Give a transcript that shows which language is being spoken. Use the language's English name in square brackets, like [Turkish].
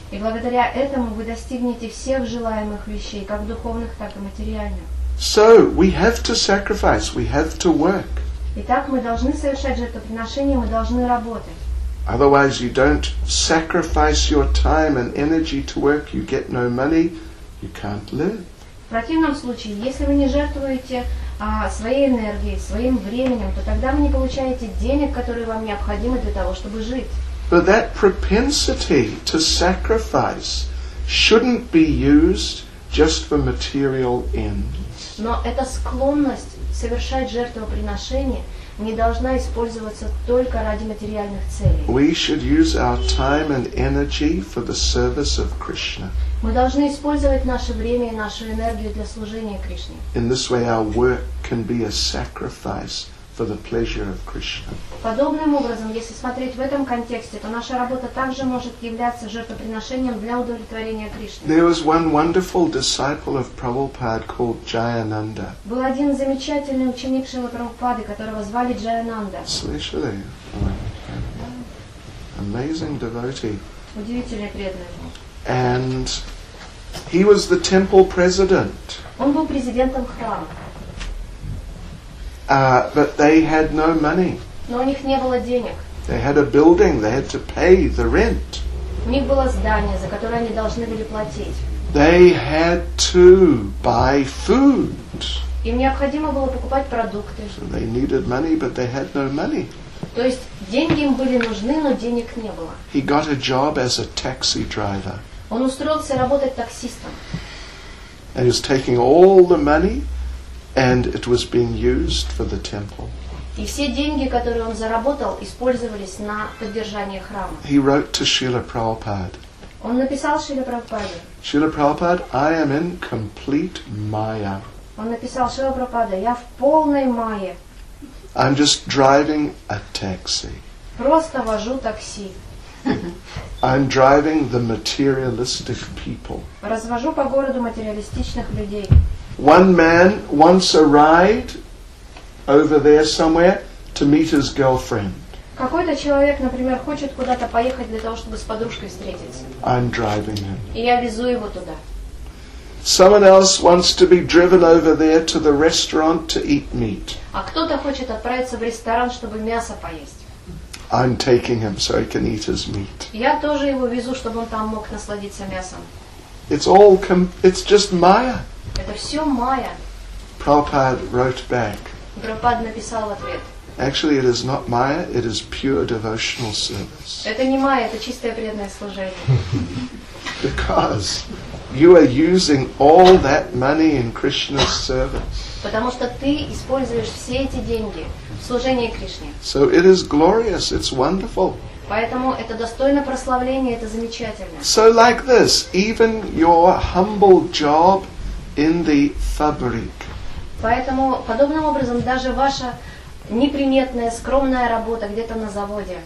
[Russian] И благодаря этому вы достигнете всех желаемых вещей, как духовных, так и материальных. [English] So we have to sacrifice. We have to work. [Russian] Итак, мы должны совершать жертвоприношение, мы должны работать. [English] Otherwise, you don't sacrifice your time and energy to work, you get no money, you can't live. [Russian] В противном случае, если вы не жертвуете своей энергией, своим временем, то тогда вы не получаете денег, которые вам необходимы для того, чтобы жить. [English] But that propensity to sacrifice shouldn't be used just for material ends. [Russian] Но эта склонность совершать жертвоприношение не должна использоваться только ради материальных целей. [English] We should use our time and energy for the service of Krishna. [Russian] Мы должны использовать наше время и нашу энергию для служения Кришне. [English] In this way, our work can be a sacrifice for the pleasure of Krishna. [Russian] Подобным образом, если смотреть в этом контексте, то наша работа также может являться жертвоприношением для удовлетворения Кришны. [English] There was one wonderful disciple of Prabhupada called Jayananda. [Russian] Был один замечательный ученик Шрилы Прабхупады, которого звали Джаянанда. Слышали? [English] Amazing devotee. [Russian] Удивительный преданный. [English] And he was the temple president. [Russian] Он был президентом храма. [English] But they had no money. [Russian] Но у них не было денег. [English] They had a building, they had to pay the rent. [Russian] У них было здание, за которое они должны были платить. [English] They had to buy food. [Russian] Им необходимо было покупать продукты. [English] So they needed money, but they had no money. [Russian] То есть деньги им были нужны, но денег не было. [English] He got a job as a taxi driver. [Russian] Он устроился работать таксистом. [English] And he was taking all the money. And it was being used for the temple. [Russian] И все деньги, которые он заработал, использовались на поддержание храма. [English] He wrote to Srila Prabhupada. [Russian] Он написал Шриле Прабхупаде. [English] Srila Prabhupada, I am in complete Maya. [Russian] Он написал Шриле Прабхупаде, я в полной майе. [English] I'm just driving a taxi. [Russian] Просто вожу такси. [English] I'm driving the materialistic people. [Russian] Развожу по городу материалистичных людей. [English] One man wants a ride over there somewhere to meet his girlfriend. [Russian] Какой-то человек, например, хочет куда-то поехать для того, чтобы с подружкой встретиться. [English] I'm driving him. [Russian] И я везу его туда. [English] Someone else wants to be driven over there to the restaurant to eat meat. [Russian] А кто-то хочет отправиться в ресторан, чтобы мясо поесть. [English] I'm taking him so he can eat his meat. [Russian] Я тоже его везу, чтобы он там мог насладиться мясом. [English] It's just Maya. [Russian] Это все майя. [English] Prabhupada wrote back. [Russian] Прабхупада написал ответ. [English] Actually, it is not Maya, it is pure devotional service. [Russian] Это не майя, это чистое преданное служение. [English] Because you are using all that money in Krishna's service. [Russian] Потому что ты используешь все эти деньги в служении Кришне. [English] So it is glorious, it's wonderful. [Russian] Поэтому это достойно прославления, это замечательно. [English] So like this, even your humble job in the fabric. [Russian] Поэтому подобным образом даже ваша неприметная, скромная работа где-то на заводе.